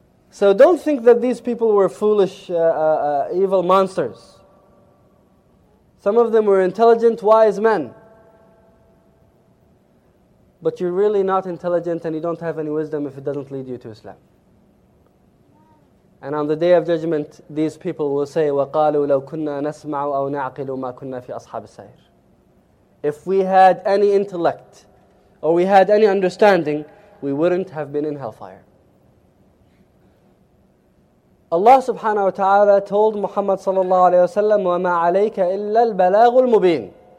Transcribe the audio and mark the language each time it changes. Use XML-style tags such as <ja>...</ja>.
<en>So don't think that these people were foolish, evil monsters. Some of them were intelligent, wise men. But you're really not intelligent and you don't have any wisdom if it doesn't lead you to Islam. And on the Day of Judgment, these people will say,</en> <ar>وَقَالُوا لَوْ كُنَّا نَسْمَعُ أَوْ نَعْقِلُ مَا كُنَّا فِي أَصْحَابِ السَّيْرِ.</ar> <en>If we had any intellect or we had any understanding, we wouldn't have been in hellfire.</en> <ar>Allah subhanahu wa ta'ala told Muhammad sallallahu alayhi wa sallam, وَمَا عَلَيْكَ إِلَّا الْبَلَاغُ الْمُبِينَ.</ar>